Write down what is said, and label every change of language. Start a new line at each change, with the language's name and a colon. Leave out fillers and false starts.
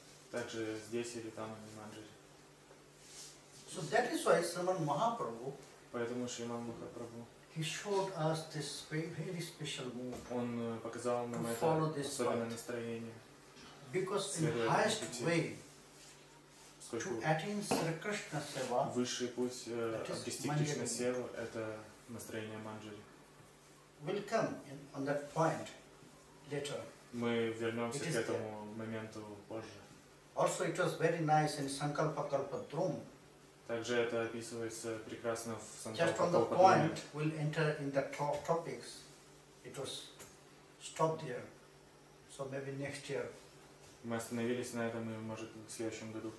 Russian: Также здесь или там в Манджари.
English: So that is why Sriman Mahaprabhu.
Russian: Поэтому Шриман Махапрабху.
English: He showed us this very special mood.
Russian: Он показал нам это особенное настроение.
English: Because in highest way to attain Sri Krishna Seva.
Russian: Высший путь обрести Кришна Севу – это настроение Манджари.
English: We'll come on that point later.
Russian: Мы вернемся к этому моменту позже.
English: Also, it was very nice in Sankalpa Kalpadrum.
Russian: Также это описывается прекрасно в Sankalpa
English: Kalpadrum. Just on the point, we'll enter in the topics. It was stopped here. So maybe next year.
Russian: Мы остановились на этом, и может в следующем году.